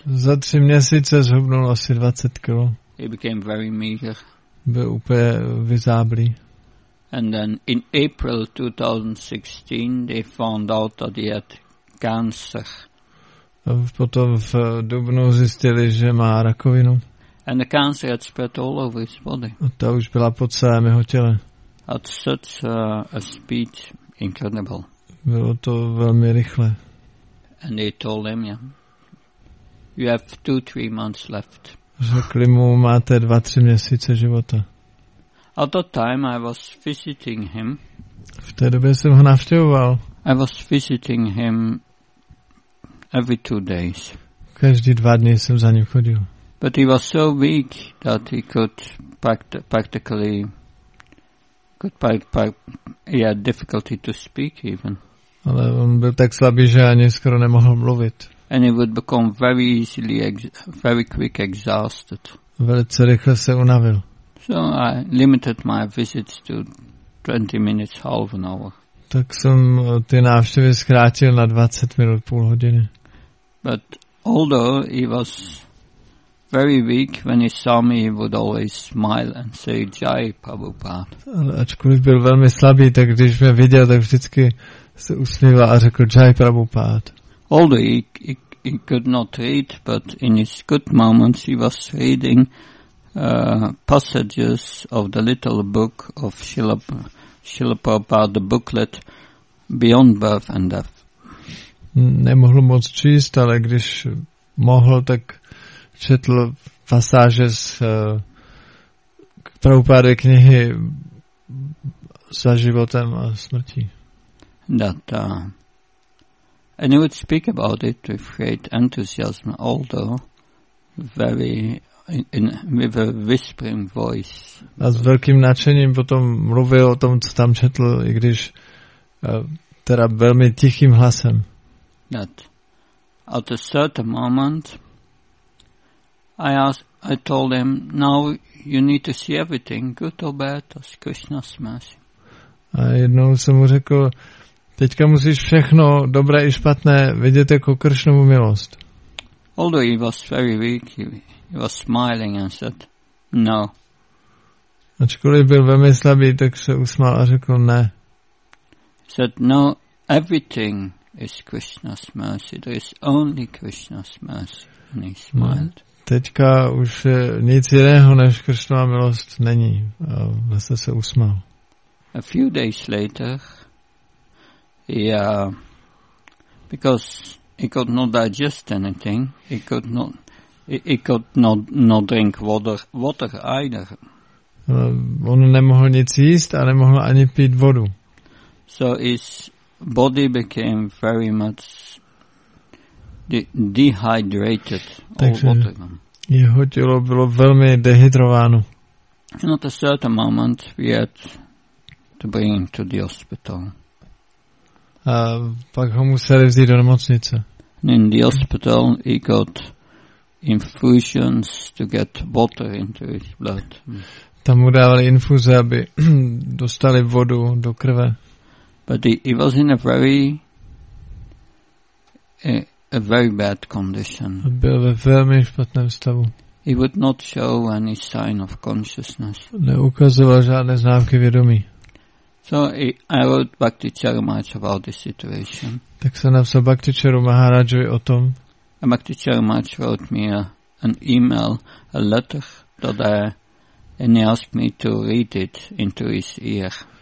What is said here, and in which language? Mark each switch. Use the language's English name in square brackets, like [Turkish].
[Czech] Za 3 měsíce zhubnul asi 20 kilo. [English] He became very meager. [Czech] Byl úplně vyzáblý. [English] And then in April 2016 they found out that he had cancer. [Czech] Potom v dubnu zjistili, že má rakovinu. [English] And the cancer had spread all over his body. [Czech] A ta už byla po celém jeho těle. [English] At such a speed, incredible. [Czech] Bylo to velmi rychle. [English] And they told him, you have 2-3 months left. [Czech] Řekli mu, máte 2-3 měsíce života. [English] At that time I was visiting him. [Czech] V té době jsem ho navštěvoval. [English] I was visiting him every 2 days. [Czech] Každý 2 dny jsem za ním chodil. [English] But he was so weak that he could practically he had difficulty to speak even. [Czech] Ale on byl tak slabý, že ani skoro nemohl mluvit. [English] And he would become very easily very quick exhausted. [Czech] Velice rychle se unavil. [English] So I limited my visits to 20 minutes, half an hour. [Czech] Tak jsem ty návštěvy zkrátil na 20 minut, půl hodiny. [English] But although he was very weak, when he saw me, he would always smile and say, Jai Prabhupada. [Czech] Ačkoliv byl velmi slabý, tak když mě viděl, tak vždycky se usmíval a řekl, Jai Prabhupada. [English] Although he could not read, but in his good moments he was reading passages of the little book of Srila Prabhupada, the booklet Beyond Birth and Death. [Czech] nemohl moc číst, ale když mohl, tak četl pasáže z Prabhupádovy knihy za životem a smrtí. [English] That and he would speak about it with great enthusiasm, although very with a whispering voice. [Czech] A s velkým nadšením potom mluvil o tom, co tam četl, i když teda velmi tichým hlasem. [English] That at a certain moment I told him, now you need to see everything, good or bad, as Krishna's mercy. [Czech] A jednou jsem mu řekl, teďka musíš všechno, dobré i špatné, vidět jako Kršnovu milost. [English] Although he was very weak, he was smiling and said, no. [Czech] Ačkoliv byl velmi slabý, tak se usmál a řekl, ne. [English] He said, no, everything is Krishna's mercy, there is only Krishna's mercy, and he smiled. [Czech] No. Teďka už nic jiného než Kršnova milost není. A vlastně se usmál. [English] A few days later, because he could not digest anything, he could not drink water either. [Czech] On nemohl nic jíst a nemohl ani pít vodu. [English] So his body became very much dehydrated. [Czech] Jeho tělo bylo velmi dehydrováno. [English] And at a certain moment we had to bring him to the hospital. [Czech] A pak ho museli vzít do nemocnice. [English] And in the hospital he got infusions to get water into his blood. [Czech] Tam mu dávali infuze, aby dostali vodu do krve. [English] But he was in a very bad condition. [Czech] Byl ve velmi špatném stavu. [English] He would not show any sign of consciousness. [Czech] Neukazoval žádné známky vědomí. [English] So I wrote Bhakti Charumaj about this situation. [Czech] Tak jsem napsal Bhakti Charu Maharajovi o tom. [English] And Bhakti Charumaj wrote me an email, a letter that and he asked me to read it into his ear.